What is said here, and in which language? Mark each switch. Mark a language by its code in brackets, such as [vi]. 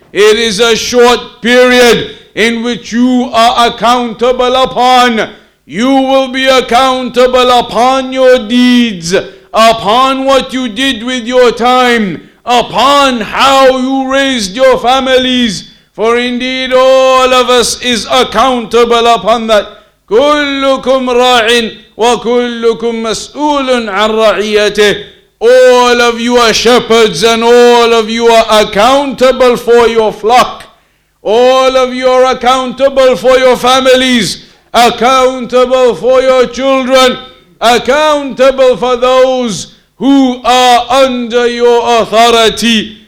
[en] It is a short period in which you are accountable upon. You will be accountable upon your deeds, upon what you did with your time, upon how you raised your families. For indeed, all of us is accountable upon that. [ar] كلكم راع وكلكم مسؤول عن رعيته. [en] All of you are shepherds and all of you are accountable for your flock. All of you are accountable for your families, accountable for your children, accountable for those who are under your authority.